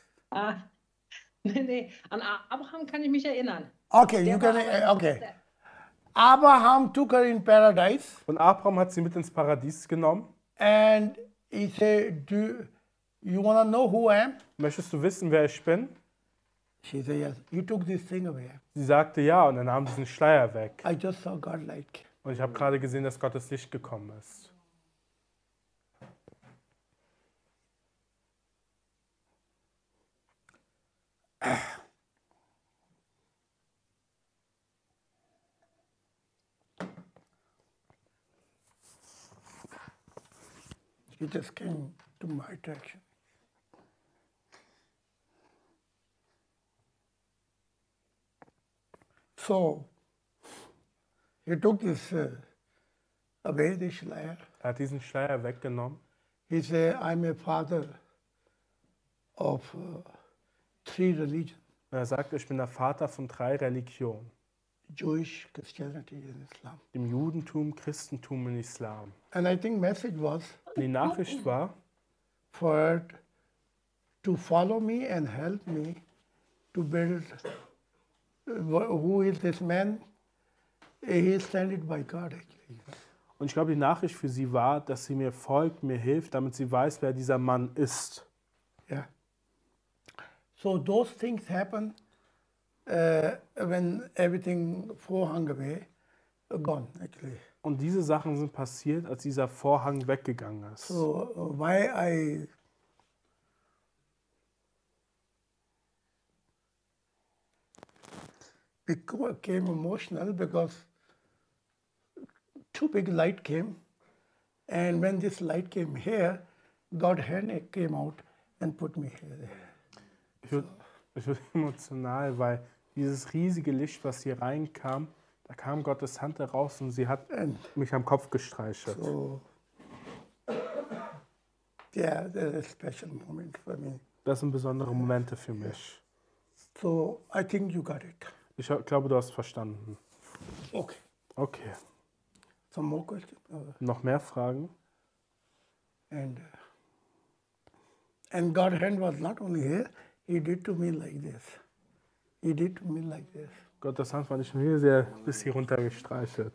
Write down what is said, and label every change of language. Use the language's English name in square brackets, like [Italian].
[German] Ah, nee, an Abraham kann ich mich erinnern. [English] Okay, der you can, okay. Abraham took her in paradise. [German] Und Abraham hat sie mit ins Paradies genommen. [English] And he said, "Do you want to know who I am?" [German] Möchtest du wissen, wer ich bin? [English] She said, "Yes." You took this thing away. [German] Sie sagte ja, und dann nahm sie diesen Schleier weg. [English] I just saw God like. [German] Und ich habe gerade gesehen, dass Gottes Licht gekommen ist. [English] He just came to my attention. So, he took this away, this Schleier. [German] Er hat diesen Schleier weggenommen. [English] He said, I'm a father of three religions. [German] Er sagt, ich bin der Vater von drei Religionen. [English] Jewish, Christianity and Islam. [German] Im Judentum, Christentum und Islam. [English] And I think message was, [German] die Nachricht war, [English] for her to follow me and help me to build, who is this man? He is sent by God, actually. [German] Und ich glaube, die Nachricht für sie war, dass sie mir folgt, mir hilft, damit sie weiß, wer dieser Mann ist. [English] Yeah. So those things happen when everything vorhang away gone, actually. [German] Und diese Sachen sind passiert, als dieser Vorhang weggegangen ist. [English] So, why I became emotional, because two big light came, and when this light came here, God hand came out and put me here. [German] Ich wurde emotional, weil dieses riesige Licht, was hier reinkam, da kam Gottes Hand heraus und sie hat mich am Kopf gestreichelt. [English] So, yeah, that's a special moment for me. [German] Das sind besondere Momente für mich. [English] So, I think you got it. [German] Ich glaube, du hast verstanden. [English] Okay. [German] Okay. [English] Some more questions? [German] Noch mehr Fragen? [English] And God's hand was not only here, he did to me like this. He did to me like this. [German] Gott, das Hand war nicht mehr sehr bis hier runter gestreichelt.